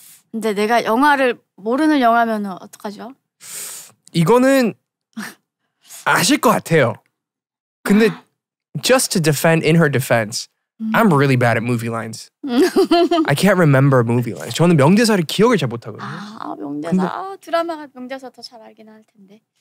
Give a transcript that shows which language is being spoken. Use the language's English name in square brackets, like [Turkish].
[Korean] 근데 내가 영화를 모르는 영화면 어떡하죠? 이거는 아실 것 같아요. 근데 [English] just to defend, in her defense, I'm really bad at movie lines. I can't remember movie lines. [Korean] 저는 명대사를 기억을 잘 못하거든요. 아, 명대사. 근데, 아, 드라마가 명대사 더 잘 알긴 할 텐데.